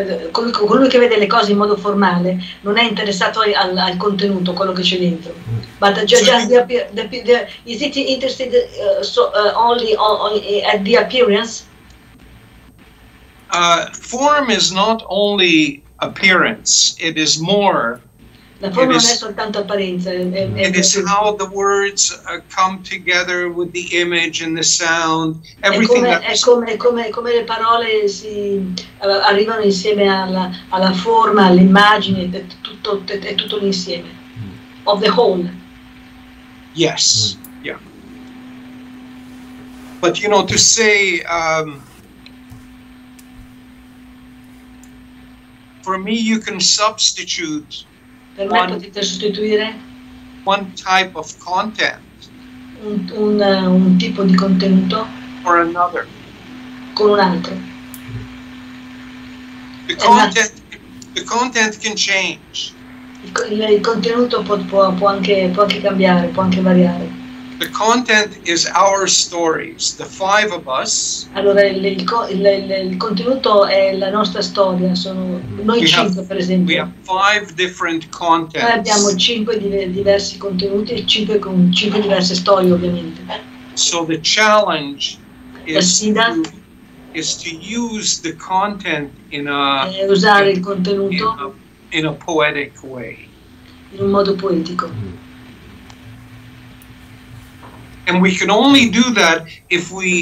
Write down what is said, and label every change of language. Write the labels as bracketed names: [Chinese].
[Italian] Colui che vede le cose in modo formale non è interessato al contenuto, quello che c'è dentro. [English] But is it interested only at the appearance? Form is not only appearance, it is more. [Italian] La forma non è soltanto apparenza. [English] It is how the words come together with the image and the sound. Everything. [Italian] È come le parole si arrivano insieme alla forma, all'immagine, è tutto l'insieme. [English] Of the whole. Yes. Yeah. But you know, to say for me, you can substitute. [Italian] Per me potete sostituire [English] one type of content [Italian] un tipo di contenuto [English] or another [Italian] con un altro. [English] The content can change. [Italian] Il contenuto può anche cambiare, può anche variare. [English] The content is our stories, the five of us. [Italian] Allora, il contenuto è la nostra storia, sono noi cinque, per esempio. [English] We have five different contents. [Italian] Noi abbiamo cinque diversi contenuti e cinque diverse storie, ovviamente. [English] So the challenge is to use the content in a poetic way. [Italian] In un modo poetico. [English] And we can only do that if we